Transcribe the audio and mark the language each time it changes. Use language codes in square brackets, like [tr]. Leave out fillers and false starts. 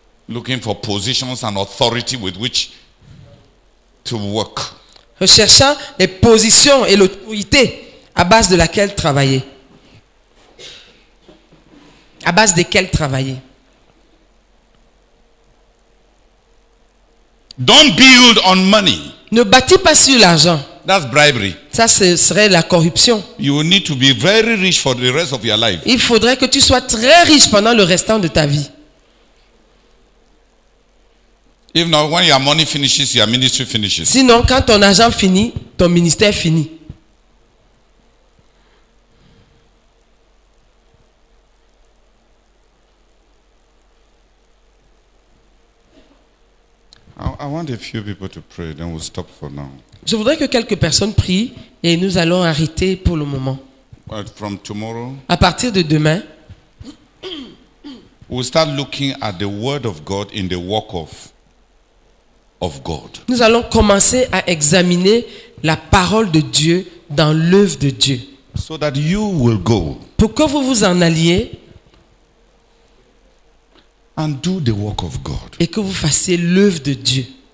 [en] Looking for positions and authority with which to work. [fr] Recherchant les positions et l'autorité à base de laquelle travailler. À base desquelles travailler. [en] Don't build on money. [fr] Ne bâtis pas sur l'argent. [en] That's bribery. [fr] Ça serait la corruption. [en] You need to be very rich for the rest of your life. [fr] Il faudrait que tu sois très riche pendant le restant de ta vie. [en] If not, when your money finishes, your ministry finishes. [fr] Sinon, quand ton argent finit, ton ministère finit. [en] I want a few people to pray, then we'll stop for now. [fr] Je voudrais que quelques personnes prient et nous allons arrêter pour le moment. [en] But from tomorrow, [fr] à partir de demain, [en] we'll start looking at the word of God in the work of God. [fr] Nous allons commencer à examiner la parole de Dieu dans l'œuvre de Dieu. [en] So that you will go. [fr] Pour que vous vous en alliez. [en] And do the work of God. [fr] Et que vous fassiez l'œuvre de Dieu.